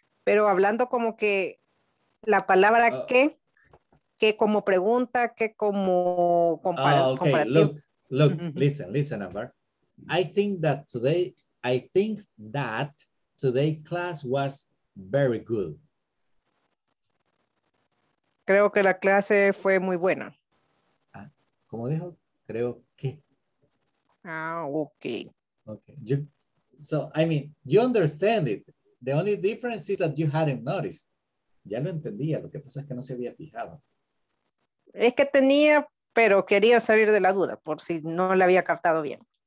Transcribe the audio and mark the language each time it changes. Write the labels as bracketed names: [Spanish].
[Spanish] Pero hablando como que la palabra que como pregunta, que como [English] comparativo. Ok, look. Look, listen, listen, Amber. I think that today class was very good. [Spanish] Creo que la clase fue muy buena. Ah, ¿cómo dijo? Creo que. [English] Ah, okay. Okay. You, so, I mean, you understand it. The only difference is that you hadn't noticed. [Spanish] Ya lo entendía. Lo que pasa es que no se había fijado. Es que tenía, pero quería salir de la duda por si no la había captado bien.